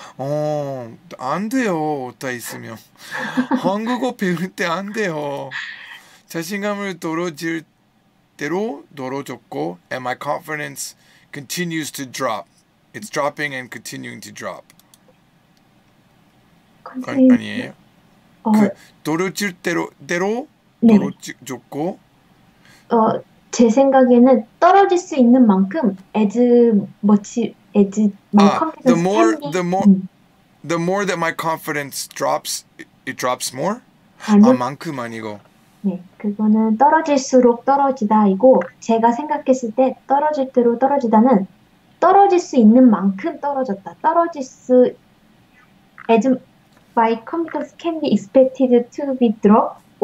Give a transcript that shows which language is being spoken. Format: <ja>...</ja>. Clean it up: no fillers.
<ko>어, 안 돼요, 오타 있으면 한국어 배울 때 안 돼요 자신감을 떨어질 대로 떨어졌고 and my confidence continues to drop.</ko> <en>It's dropping and continuing to drop.</en> <ko>아니에요? 그 떨어질 대로 떨어졌고 네. 제 생각에는 떨어질 수 있는 만큼</ko> <en>the more that my confidence drops, it drops more.</en> <ko>아니요? 아, 만큼 아니고 네, 그거는 떨어질수록 떨어지다이고 제가 생각했을 때 떨어질 대로 떨어지다는 떨어질 수 있는 만큼 떨어졌다.</ko> <en>떨어질 수 as my confidence can be expected to be dropped.</en>